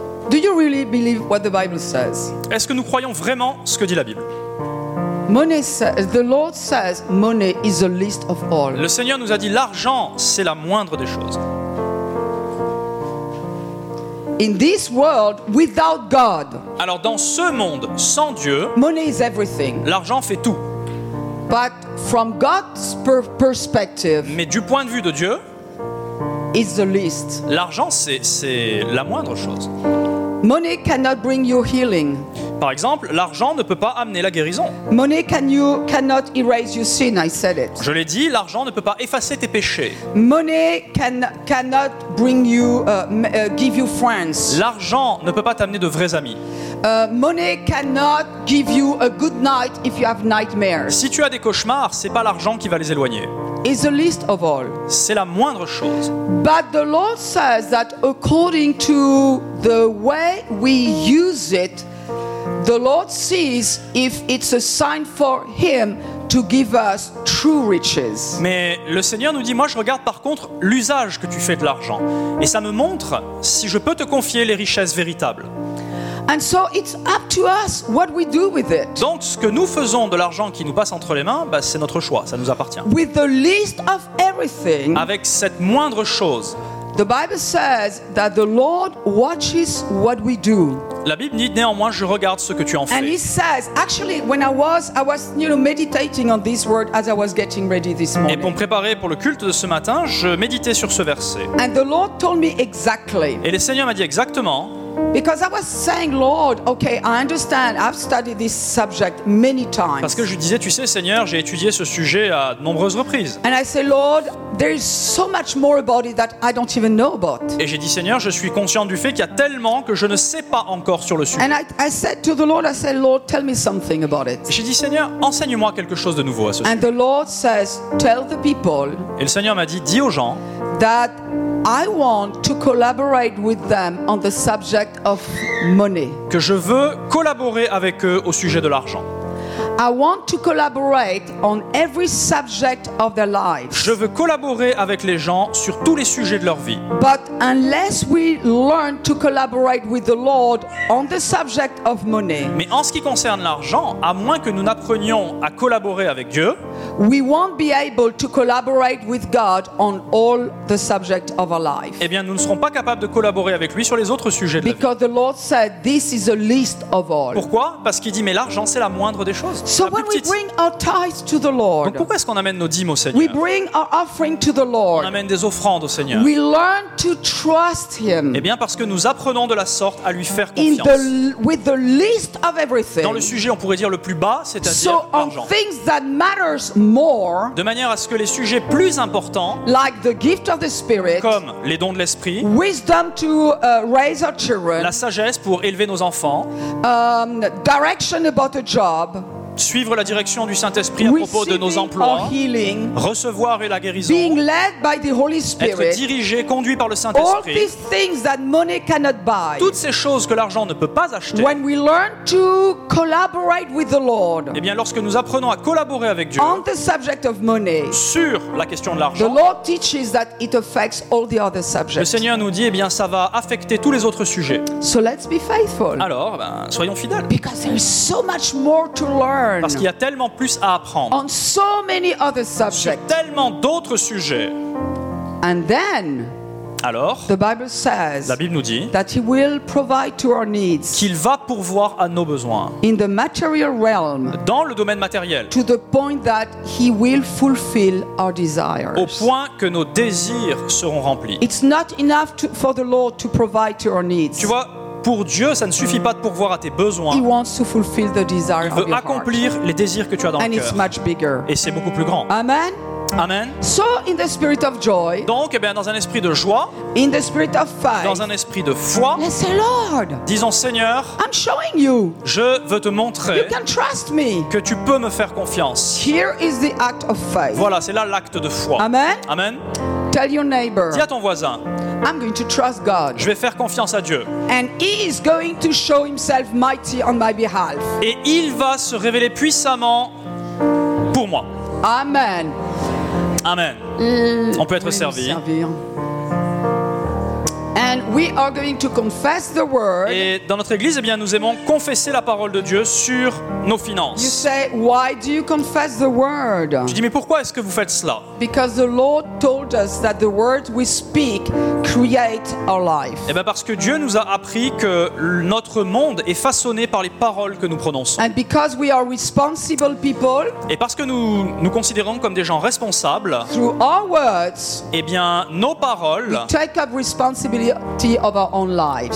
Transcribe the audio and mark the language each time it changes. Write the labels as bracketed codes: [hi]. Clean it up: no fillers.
[en] Do you really believe what the Bible says? [fr] Est-ce que nous croyons vraiment ce que dit la Bible? [en] Money says, the Lord says money is the least of all. [fr] Le Seigneur nous a dit l'argent c'est la moindre des choses. [en] In this world without God. [fr] Alors dans ce monde sans Dieu. [en] Money is everything. [fr] L'argent fait tout. [en] But from God's perspective. [fr] Mais du point de vue de Dieu. [en] It's the least. [fr] L'argent c'est la moindre chose. [en] Money cannot bring you healing. [fr] Par exemple, l'argent ne peut pas amener la guérison. [en] Money cannot erase your sin, I said it. [fr] Je l'ai dit, l'argent ne peut pas effacer tes péchés. [en] Money cannot bring you give you friends. [fr] L'argent ne peut pas t'amener de vrais amis. [en] Money cannot give you a good night if you have nightmares. [fr] Si tu as des cauchemars, c'est pas l'argent qui va les éloigner. [en] Is the least of all. [fr] C'est la moindre chose. [en] But the Lord says that according to the way we use it, the Lord sees if it's a sign for him to give us true riches. [fr] Mais le Seigneur nous dit, moi je regarde par contre l'usage que tu fais de l'argent, et ça me montre si je peux te confier les richesses véritables. [en] And so it's up to us what we do with it. [fr] Donc ce que nous faisons de l'argent qui nous passe entre les mains, bah, c'est notre choix, ça nous appartient. [en] With the least of everything. [fr] Avec cette moindre chose. [en] The Bible says that the Lord watches what we do. [fr] La Bible dit néanmoins je regarde ce que tu en fais. [en] And he says actually when I was you know meditating on this word as I was getting ready this morning. [fr] Et pour me préparer pour le culte de ce matin, je méditais sur ce verset. [en] And the Lord told me exactly. [fr] Et le Seigneur m'a dit exactement. [en] Because I was saying, Lord, okay, I understand. I've studied this subject many times. [fr] Parce que je disais, tu sais, Seigneur, j'ai étudié ce sujet à de nombreuses reprises. [en] And I say, Lord, there is so much more about it that I don't even know about. [fr] Et j'ai dit, Seigneur, je suis conscient du fait qu'il y a tellement que je ne sais pas encore sur le sujet. [en] And I said to the Lord, I said, Lord, tell me something about it. [fr] Et j'ai dit, Seigneur, enseigne-moi quelque chose de nouveau à ce sujet. [en] And the Lord says, tell the people. [fr] Et le Seigneur m'a dit, dis aux gens. [en] That I want to collaborate with them on the subject of money. [fr] Que je veux collaborer avec eux au sujet de l'argent. [en] I want to collaborate on every subject of their lives. [fr] Je veux collaborer avec les gens sur tous les sujets de leur vie. [en] But unless we learn to collaborate with the Lord on the subject of money. [fr] Mais en ce qui concerne l'argent, à moins que nous n'apprenions à collaborer avec Dieu, [en] we won't be able to collaborate with God on all the subject of our life. [fr] Eh bien, nous ne serons pas capables de collaborer avec lui sur les autres sujets de la vie. [en] Because the Lord said this is the least of all. [fr] Pourquoi? Parce qu'il dit mais l'argent c'est la moindre des choses. [en] So when we bring our tithes to the Lord, [fr] donc pourquoi est-ce qu'on amène nos dîmes au Seigneur? [en] We bring our offering to the Lord. [fr] On amène des offrandes au Seigneur. [en] We learn to trust him. [fr] Eh bien parce que nous apprenons de la sorte à lui faire confiance. [en] With the least of everything. [fr] Dans le sujet, on pourrait dire le plus bas, c'est-à-dire [en] so [fr] l'argent. [en] So on things that matters more. [fr] De manière à ce que les sujets plus importants, [en] like the gift of the Spirit, [fr] comme les dons de l'esprit, [en] wisdom to raise our children, [fr] la sagesse pour élever nos enfants, [en] direction about a job. [fr] Suivre la direction du Saint-Esprit à propos de nos emplois, [en] healing, [fr] recevoir et la guérison, [en] being led by the Holy Spirit, [fr] être dirigé, conduit par le Saint-Esprit, [en] all these things that money cannot buy, [fr] toutes ces choses que l'argent ne peut pas acheter, [en] when we learn to collaborate with the Lord, [fr] et bien lorsque nous apprenons à collaborer avec Dieu [en] on the subject of money, [fr] sur la question de l'argent, [en] the Lord teaches that it affects all the other subjects. [fr] Le Seigneur nous dit, et bien ça va affecter tous les autres sujets. [en] So let's be faithful. [fr] Alors, ben, soyons fidèles. [en] Because there is so much more to learn. [fr] Parce qu'il y a tellement plus à apprendre [en] on so many other [fr] sur tellement d'autres sujets. [en] And then, [fr] alors, [en] the Bible says [fr] la Bible nous dit [en] that he will provide to our needs [fr] qu'il va pourvoir à nos besoins [en] in the material realm, [fr] dans le domaine matériel [en] to the point that he will fulfill our desires. [fr] Au point que nos désirs seront remplis. [en] It's not enough to, for the Lord to provide to our needs. [fr] Tu vois, pour Dieu, ça ne suffit pas de pourvoir à tes besoins. [en] He wants to fulfill the desire [fr] il veut [en] of your [fr] accomplir [en] heart. [fr] Les désirs que tu as dans [en] and [fr] le cœur. Et c'est beaucoup plus grand. [en] Amen. [fr] Amen. [en] So in the spirit of joy, [fr] donc, eh bien, dans un esprit de joie, [en] in the spirit of faith, [fr] dans un esprit de foi, [en] let's say, Lord, [fr] disons, Seigneur, [en] I'm showing you, [fr] je veux te montrer [en] you can trust me. [fr] Que tu peux me faire confiance. [en] Here is the act of faith. [fr] Voilà, c'est là l'acte de foi. [en] Amen. [fr] Amen. [en] Tell your neighbor, [fr] dis à ton voisin, [en] I'm going to trust God. [fr] Je vais faire confiance à Dieu. [en] And he is going to show himself mighty on my behalf. [fr] Et il va se révéler puissamment pour moi. [en] Amen. [fr] Amen. On peut être servi. [en] And we are going to confess the word. [fr] Et dans notre église, eh bien, nous aimons confesser la parole de Dieu sur nos finances. [en] You say, why do you confess the word? [fr] Je dis, mais pourquoi est-ce que vous faites cela? [en] Because the Lord told us that the words we speak create our life. [fr] Eh bien, parce que Dieu nous a appris que notre monde est façonné par les paroles que nous prononçons. [en] And because we are responsible people. [fr] Et parce que nous nous considérons comme des gens responsables. [en] Through our words. [fr] Eh bien, nos paroles. [en] We take up responsibility. Of our own lives.